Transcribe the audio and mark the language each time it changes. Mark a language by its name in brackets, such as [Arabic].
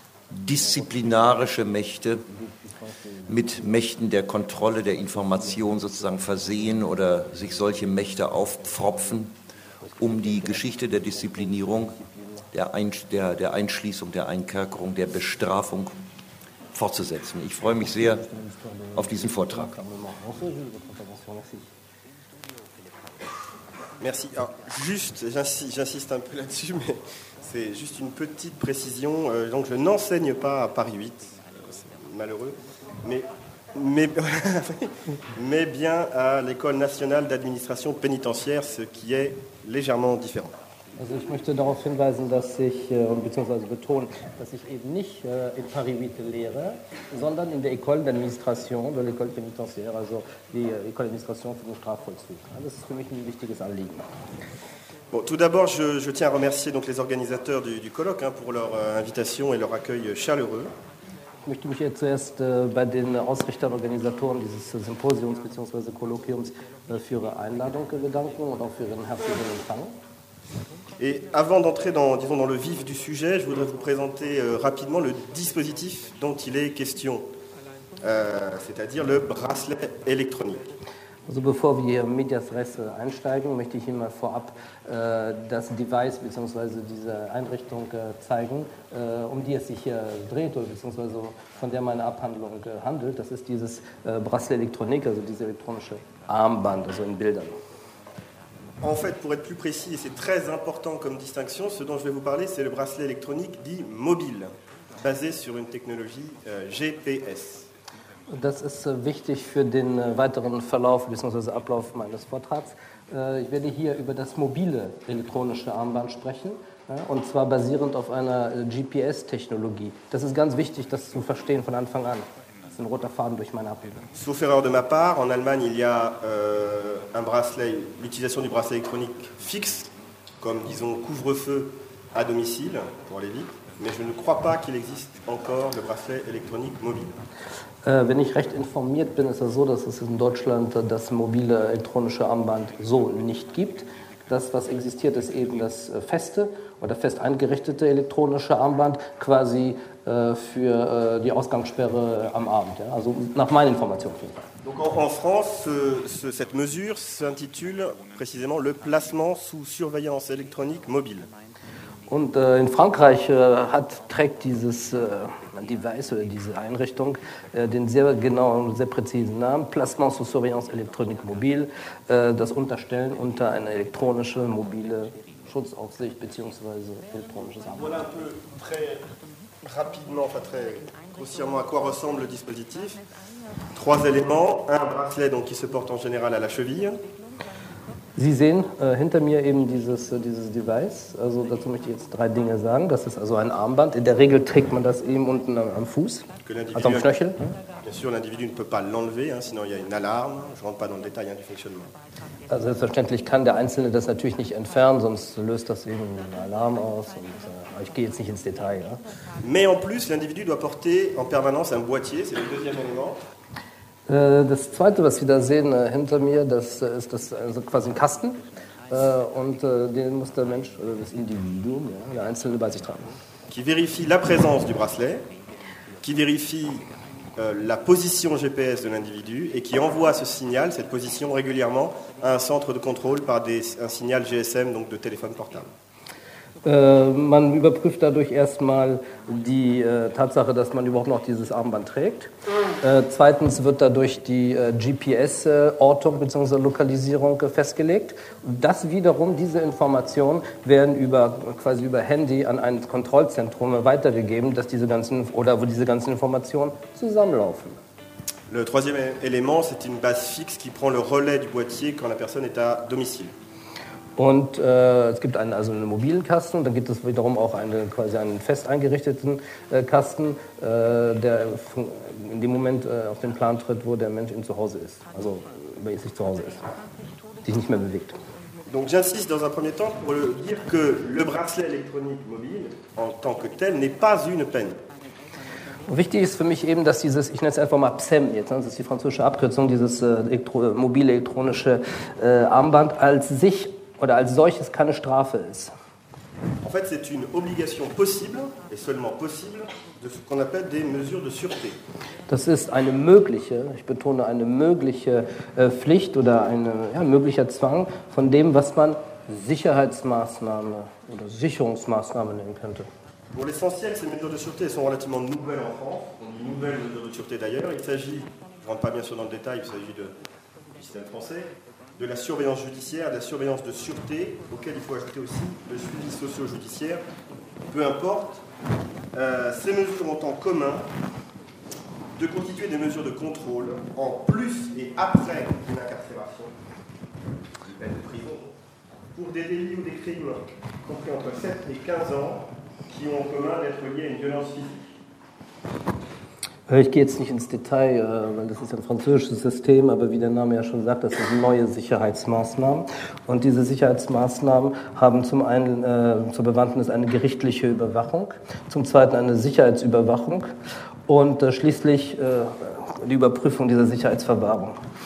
[German] disziplinarische Mächte mit Mächten der Kontrolle der Information sozusagen versehen oder sich solche Mächte aufpfropfen, um die Geschichte der Disziplinierung, der Einschließung, der Einkerkerung, der Bestrafung fortzusetzen. Ich freue mich sehr auf diesen Vortrag. [French] Merci. Alors, juste, j'insiste un peu là-dessus, mais c'est juste une petite précision. Donc, je n'enseigne pas à Paris 8, malheureux, mais bien à l'École nationale d'administration pénitentiaire, ce qui est légèrement différent. [German] Also ich möchte darauf hinweisen, dass ich, beziehungsweise betonen, dass ich eben nicht in Paris 8 lehre, sondern in der [French] École d'administration, de l'École pénitentiaire, [German] also die École d'administration für den Strafvollzug. Das ist für mich ein wichtiges Anliegen. [French] Bon, tout d'abord, je tiens à remercier donc les organisateurs du colloque hein, pour leur invitation et leur accueil chaleureux. [German] Ich möchte mich jetzt zuerst bei den Ausrichtern, Organisatoren dieses Symposiums bzw. Kolloquiums für ihre Einladung bedanken und auch für ihren herzlichen Empfang. [French] Et avant d'entrer dans, disons, dans le vif du sujet, je voudrais vous présenter rapidement le dispositif dont il est question, c'est-à-dire le bracelet électronique. [German] Also bevor wir in medias res einsteigen, möchte ich Ihnen mal vorab das Device bzw. diese Einrichtung zeigen, um die es sich hier dreht oder bzw. von der meine Abhandlung handelt. Das ist dieses Bracelet Elektronik, also diese elektronische Armband, also in Bildern. [French] En fait, pour être plus précis, et c'est très important comme distinction, ce dont je vais vous parler, c'est le bracelet électronique dit mobile, basé sur une technologie GPS. [German] Das ist wichtig für den weiteren Verlauf bzw. Ablauf meines Vortrags. Ich werde hier über das mobile elektronische Armband sprechen, und zwar basierend auf einer GPS-Technologie. Das ist ganz wichtig, das zu verstehen von Anfang an. Ein roter Faden durch meine Abbildung. [French] Sauf erreur de ma part, en Allemagne, il y a un bracelet, l'utilisation du bracelet électronique fixe, comme disons couvre-feu à domicile, pour aller vite, mais je ne crois pas qu'il existe encore le bracelet électronique mobile. [German] Wenn ich recht informiert bin, ist es so, dass es in Deutschland das mobile elektronische Armband so nicht gibt. Das, was existiert, ist eben das feste oder fest eingerichtete elektronische Armband, quasi für die Ausgangssperre am Abend. Ja? Also nach meinen Informationen. [French] Donc en France, cette mesure s'intitule précisément le placement sous surveillance électronique mobile. [German] Und in Frankreich trägt dieses Device oder diese Einrichtung den sehr genauen, sehr präzisen Namen [French] Placement sous surveillance électronique mobile, [German] das Unterstellen unter eine elektronische mobile Schutzaufsicht bzw. elektronisches Armband. [French] Voilà un peu très rapidement, enfin très grossièrement, à quoi ressemble le dispositif. Trois éléments, un bracelet donc qui se porte en général à la cheville. [German] Sie sehen hinter mir eben dieses Device. Also dazu möchte ich jetzt drei Dinge sagen. Das ist also ein Armband. In der Regel trägt man das eben unten am Fuß, also am Knöchel. [French] Bien sûr, l'individu ne peut pas l'enlever, hein, sinon il y a une alarme. Je rentre pas dans le détail du fonctionnement. [German] Also selbstverständlich kann der Einzelne das natürlich nicht entfernen, sonst löst das eben einen Alarm aus. Und ich gehe jetzt nicht ins Detail. Ja. [French] Mais en plus, l'individu doit porter en permanence un boîtier. C'est le deuxième élément. [German] Das Zweite, was Sie da sehen hinter mir, das ist das, also quasi ein Kasten. Und den muss der Mensch, oder das Individuum, ja, der Einzelne bei sich tragen. [French] Qui vérifie la présence du bracelet, qui vérifie la position GPS de l'individu et qui envoie ce signal, cette position, régulièrement à un centre de contrôle par un signal GSM, donc de téléphone portable. [German] Man überprüft dadurch erstmal die Tatsache, dass man überhaupt noch dieses Armband trägt. Zweitens wird dadurch die GPS-Ortung bzw. Lokalisierung festgelegt. Das wiederum, diese Informationen werden über Handy an ein Kontrollzentrum weitergegeben, dass diese ganzen oder wo diese ganzen Informationen zusammenlaufen. [French] Le troisième élément, c'est une base fixe qui prend le relais du boîtier quand la personne est à domicile. [German] Und es gibt einen mobilen Kasten, dann gibt es wiederum auch einen fest eingerichteten Kasten, der in dem Moment auf den Plan tritt, wo der Mensch zu Hause ist, also mäßig zu Hause ist, sich nicht mehr bewegt. [French] Donc j'insiste dans un premier temps pour dire que le bracelet électronique mobile en tant que tel n'est pas une peine. [German] Wichtig ist für mich eben, dass dieses, ich nenne es einfach mal PSEM jetzt, das ist die französische Abkürzung, dieses mobile elektronische Armband als sich oder als solches keine Strafe ist. [French] En fait, c'est une obligation possible et seulement possible de ce qu'on appelle des mesures de sûreté. [German] Das ist eine mögliche, ich betone eine mögliche Pflicht oder ein möglicher Zwang von dem, was man Sicherheitsmaßnahme oder Sicherungsmaßnahme nennen könnte. [French] Pour l'essentiel, ces mesures de sûreté sont relativement nouvelles en France, une nouvelle mesure de sûreté d'ailleurs. Il s'agit, je rentre pas bien sûr dans le détail, il s'agit du système français. De la surveillance judiciaire, de la surveillance de sûreté, auquel il faut ajouter aussi le suivi socio-judiciaire, peu importe. Ces mesures ont en commun de constituer des mesures de contrôle en plus et après une incarcération, une peine de prison, pour des délits ou des crimes compris entre 7 et 15 ans qui ont en commun d'être liés à une violence physique. [German] Ich gehe jetzt nicht ins Detail, weil das ist ein französisches System, aber wie der Name ja schon sagt, das sind neue Sicherheitsmaßnahmen. Und diese Sicherheitsmaßnahmen haben zum einen zur Bewandtnis eine gerichtliche Überwachung, zum zweiten eine Sicherheitsüberwachung und schließlich die Überprüfung dieser Sicherheitsverwahrung.